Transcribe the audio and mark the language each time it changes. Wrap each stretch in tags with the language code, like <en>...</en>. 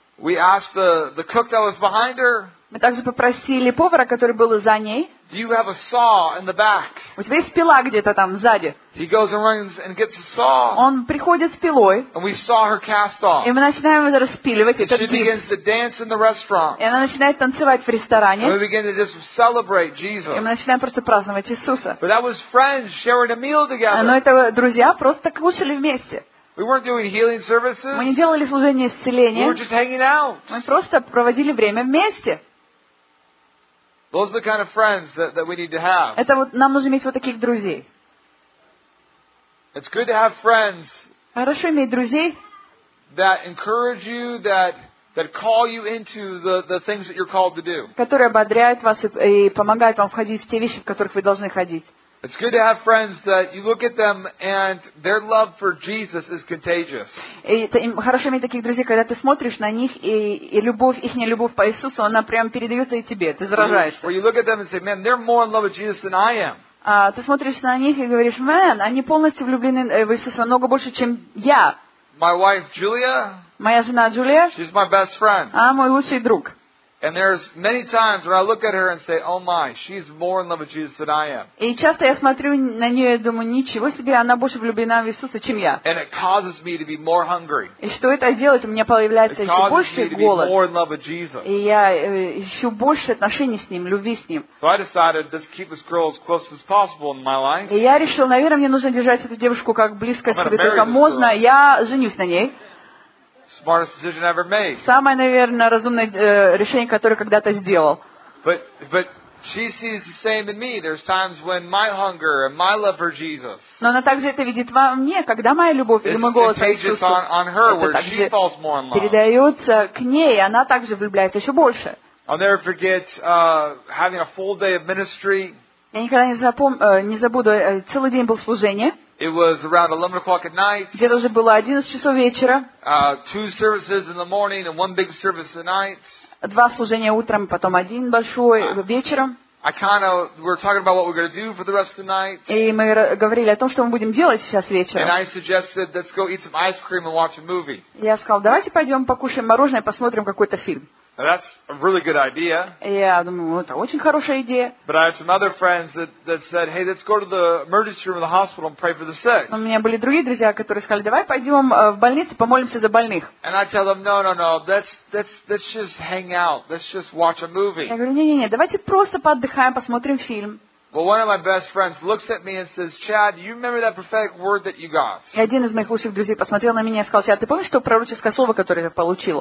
<en>We asked the cook that was behind her.</en> <ru>Мы также попросили повара, который был за ней.</ru> <en>Do you have a saw in the back?</en> <ru>У тебя есть пила где-то там сзади.</ru> <en>He goes and runs and gets a saw.</en> <ru>Он приходит с пилой.</ru> <en>And we saw her cast off.</en> <ru>И мы начинаем распиливать этот гипс.</ru> <en>She begins to dance in the restaurant.</en> <ru>И она начинает танцевать в ресторане.</ru> <en>And we begin to just celebrate Jesus.</en> <ru>И мы начинаем просто праздновать Иисуса.</ru> <en>But that was friends sharing a meal together.</en> <ru>Но это друзья просто кушали вместе.</ru> <en>We weren't doing healing services.</en> <ru>Мы не делали служение исцеления.</ru> <en>We were just hanging out.</en> <ru>Мы просто проводили время вместе.</ru> <en>Those are the kind of friends that we need to have.</en> <ru>Это вот нам нужно иметь вот таких друзей.</ru> <en>It's good to have friends.</en> <ru>Хорошо иметь друзей.</ru> <en>That encourage you, that call you into the things that you're called to do.</en> <ru>Которые ободряют вас и помогают вам входить в те вещи, в которых вы должны ходить.</ru> <en>It's good to have friends that you look at them and their love for Jesus is contagious.</en> <ru>Это хорошо иметь таких друзей, когда ты смотришь на них и любовь, ихняя любовь по Иисусу, она прямо передается и тебе, ты заражаешься.</ru> <en>Or you look at them and say, man, they're more in love with Jesus than I am.</en> <ru>Ты смотришь на них и говоришь, man, они полностью влюблены в Иисуса намного больше, чем я.</ru> <en>My wife Julia.</en> <ru>Моя жена Джулия.</ru> <en>She's my best friend.</en> <ru>Она мой лучший друг.</ru> <en>And there's many times when I look at her and say, "Oh my, she's more in love with Jesus than I am."</en> <ru>И часто я смотрю на нее и думаю: ничего себе, она больше влюблена в Иисуса, чем я.</ru> <en>And it causes me to be more hungry.</en> <ru>И что это делает? У меня появляется еще больше голод.</ru> <en>More in love with Jesus.</en> <ru>И я еще больше отношений с ним, любви с ним.</ru> <en>So I decided to keep this girl as close as possible in my life.</en> <ru>И я решил, наверное, мне нужно держать эту девушку как близко к себе, как можно. Я женюсь на ней.</ru> <en>Smartest decision ever made.</en> <ru>Самое, наверное, разумное решение, которое когда-то сделал.</ru> <en>But she sees the same in me. There's times when my hunger and my love for Jesus.</en> <ru>Но она также это видит во мне, когда моя любовь или мой голод за Иисуса.</ru> <en>On her, where she falls more in love.</en> <ru>Передается к ней, и она также влюбляется еще больше.</ru> <en>I'll never forget having a full day of ministry.</en> <ru>Я никогда не забуду, целый день был служение.</ru> <en>It was around 11 o'clock at night.</en> <ru>Где-то уже было 11 часов вечера.</ru> <en>Two services in the morning and one big service at night.</en> <ru>Два служения утром, потом один большой вечером.</ru> <en>I kind of we're talking about what we're going to do for the rest of the night.</en> <ru>И мы говорили о том, что мы будем делать сейчас вечером.</ru> <en>And I suggested let's go eat some ice cream and watch a movie.</en> <ru>Я сказал: давайте пойдем покушаем мороженое, посмотрим какой-то фильм.</ru> <en>That's a really good idea.</en> <ru>Я думаю, это очень хорошая идея.</ru> <en>But I had some other friends that said, "Hey, let's go to the emergency room of the hospital and pray for the sick."</en> <ru>У меня были другие друзья, которые сказали: "Давай пойдем в больницу, помолимся за больных."</ru> <en>And I tell them, "No, let's just hang out. Let's just watch a movie."</en> <ru>Я говорю: "Не, давайте просто поотдыхаем, посмотрим фильм."</ru> <en>Well, one of my best friends looks at me and says, "Chad, you remember that prophetic word that you got?"</en> <ru>И один из моих лучших друзей посмотрел на меня и сказал: "Чад, ты помнишь то пророческое слово, которое ты получил?"</ru>